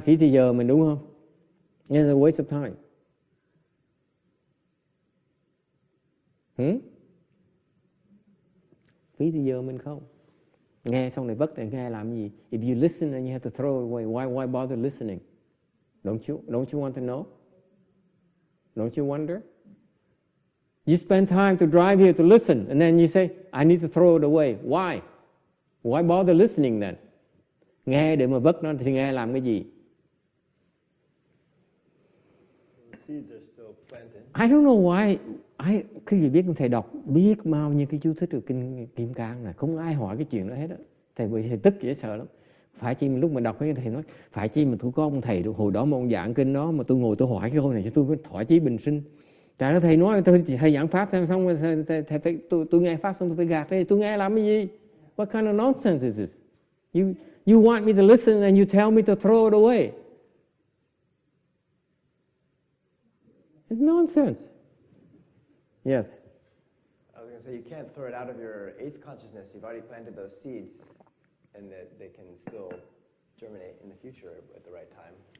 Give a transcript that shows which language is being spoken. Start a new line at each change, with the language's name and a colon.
Vietnamese: Phí thời giờ mình đúng không?
English: It's a waste of time.
Vietnamese: Phí thời giờ mình không. Nghe xong này vất để nghe làm gì?
English: If you listen and you have to throw it away, why bother listening? Don't you want to know? Don't you wonder? You spend time to drive here to listen and then you say, I need to throw it away. Why? Why bother listening then?
Vietnamese: Nghe để mà vất nó thì nghe làm cái gì?
English: I don't know why.
Vietnamese: Quý vị biết thầy đọc biết bao nhiêu cái chú thích được kinh Kim Cang này, không ai hỏi cái chuyện đó hết á. Thầy tức dễ sợ lắm. Phải chi mà lúc mà đọc cái thầy nói, phải chi mà tôi có ông thầy được hồi đó mà ông giảng kinh đó mà tôi ngồi tôi hỏi cái câu này cho tôi mới thỏa chí bình sinh. Tại đó thầy nói tôi thầy giảng pháp xong rồi thầy phải tôi nghe pháp xong tôi phải gạt đi. Tôi nghe làm cái gì?
English: What kind of nonsense is this? You want me to listen and you tell me to throw it away? It's nonsense. Yes. I was going to say, you can't throw it out of your eighth consciousness. You've already planted those seeds, and that they can still germinate in the future at the right time.